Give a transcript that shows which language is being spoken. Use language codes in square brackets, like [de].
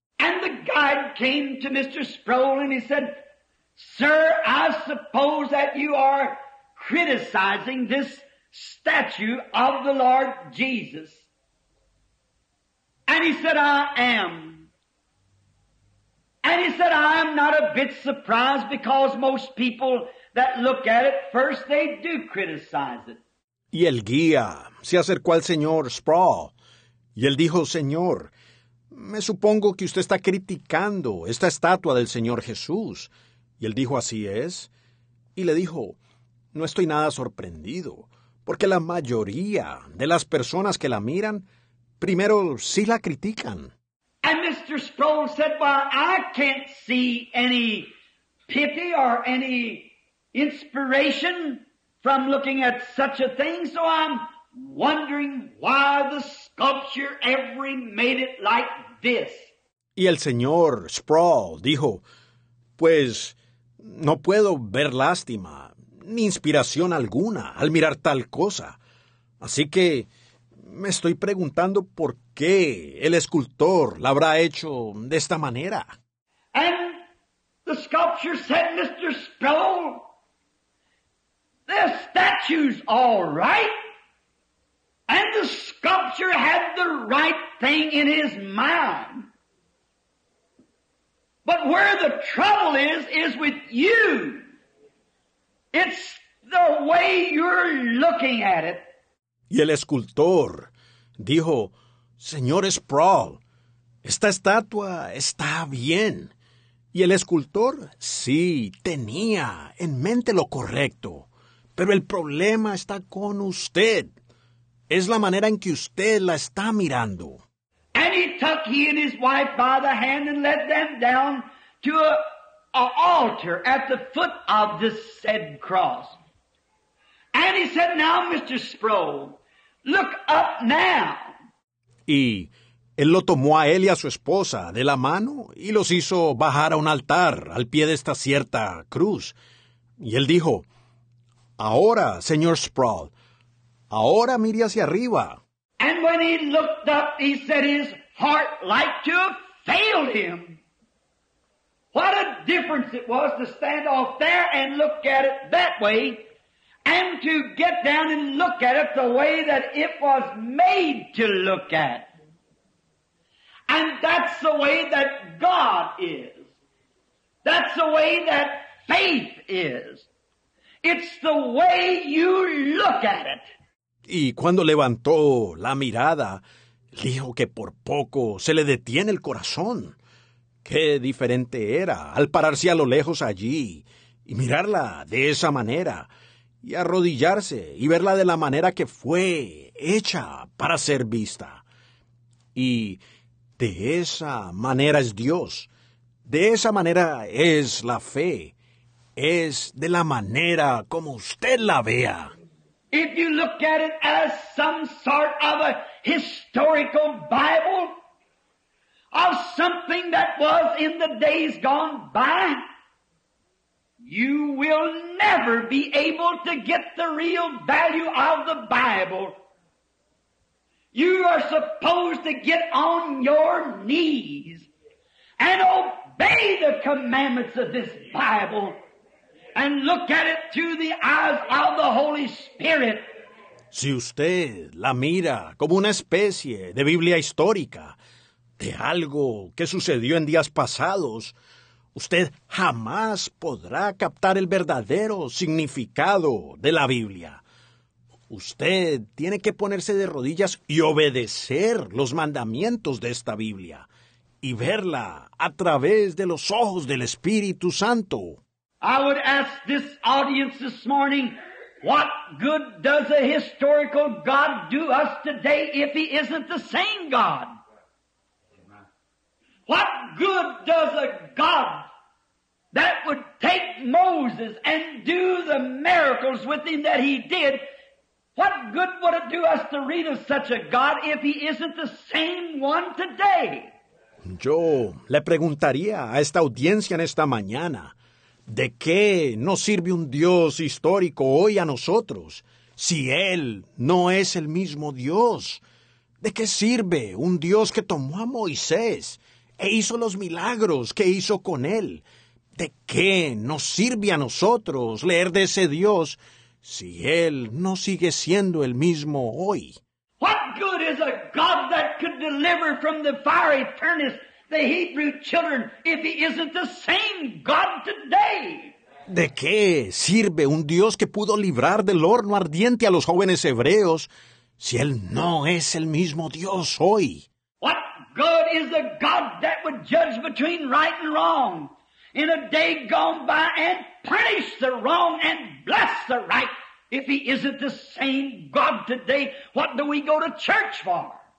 [en] And the guy I came to Mr. Sproul and he said, "Sir, I suppose that you are criticizing this statue of the Lord Jesus." And he said, "I am." And he said, "I'm not a bit surprised, because most people that look at it first, they do criticize it." [es] Y el guía se acercó al señor Sproul y él dijo, "Señor, me supongo que usted está criticando esta estatua del Señor Jesús." Y él dijo, "Así es." Y le dijo, "No estoy nada sorprendido, porque la mayoría de las personas que la miran, primero sí la critican." [en] And Mr. Sproul said, "Well, I can't see any pity or any inspiration from looking at such a thing, so I'm wondering why the sculpture ever made it like this." [es] Y el señor Sproul dijo, "Pues no puedo ver lástima ni inspiración alguna al mirar tal cosa. Así que me estoy preguntando por qué el escultor la habrá hecho de esta manera." [en] And the sculptor said, "Mr. Sproul, the statue's all right. And the sculptor had the right thing in his mind. But where the trouble is with you. It's the way you're looking at it." [es] Y el escultor dijo, "Señor Sproul, esta estatua está bien." Y el escultor, sí, tenía en mente lo correcto. Pero el problema está con usted. Es la manera en que usted la está mirando. [en] And he and his wife by the hand and led them down to an altar at the foot of this said cross. And he said, "Now, Mr. Sproul, look up now." [es] Y él lo tomó a él y a su esposa de la mano y los hizo bajar a un altar al pie de esta cierta cruz. Y él dijo, "Ahora, señor Sproul, ahora mire hacia arriba." [en] And when he looked up, he said his heart like to have failed him. What a difference it was to stand off there and look at it that way, and to get down and look at it the way that it was made to look at. And that's the way that God is. That's the way that faith is. It's the way you look at it. [es] Y cuando levantó la mirada, dijo que por poco se le detiene el corazón. Qué diferente era al pararse a lo lejos allí y mirarla de esa manera y arrodillarse y verla de la manera que fue hecha para ser vista. Y de esa manera es Dios. De esa manera es la fe. Es de la manera como usted la vea. [en] If you look at it as some sort of a historical Bible, of something that was in the days gone by, you will never be able to get the real value of the Bible. You are supposed to get on your knees and obey the commandments of this Bible and look at it through the eyes of the Holy Spirit. [es] Si usted la mira como una especie de Biblia histórica, de algo que sucedió en días pasados, usted jamás podrá captar el verdadero significado de la Biblia. Usted tiene que ponerse de rodillas y obedecer los mandamientos de esta Biblia y verla a través de los ojos del Espíritu Santo. [en] I would ask this audience this morning, what good does a historical God do us today if he isn't the same God? What good does a God that would take Moses and do the miracles with him that he did, what good would it do us to read of such a God if he isn't the same one today? [es] Yo le preguntaría a esta audiencia en esta mañana, ¿de qué nos sirve un Dios histórico hoy a nosotros si él no es el mismo Dios? ¿De qué sirve un Dios que tomó a Moisés e hizo los milagros que hizo con él. ¿De qué nos sirve a nosotros leer de ese Dios si él no sigue siendo el mismo hoy? [en] What good is a God that could deliver from the fiery furnace the Hebrew children if he isn't the same God today? [es] ¿De qué sirve un Dios que pudo librar del horno ardiente a los jóvenes hebreos si él no es el mismo Dios hoy? [en] What good is a God that would judge between right and wrong in a day gone by and punish the wrong and bless the right if he isn't the same God today? What do we go to church for?